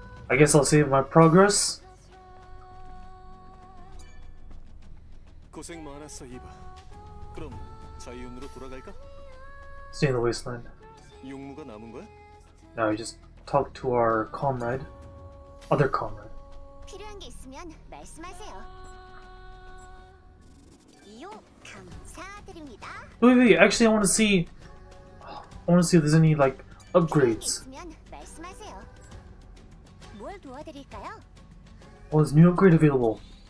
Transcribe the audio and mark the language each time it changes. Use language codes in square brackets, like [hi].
[en] I guess I'll save my progress. [ko] 고생 많았어, 이봐. 그럼 자이온으로 돌아갈까? [en] Stay in the wasteland. [ko] 용무가 남은 거야? [en] Now we just talk to our comrade, other comrade. [ko] 필요한 게 있으면 말씀하세요. 용 감사드립니다. [en] Wait, wait, actually, I want to see if there's any like upgrades. [ko] 있으면 말씀하세요. 뭘 도와드릴까요? [en] What's new upgrade available?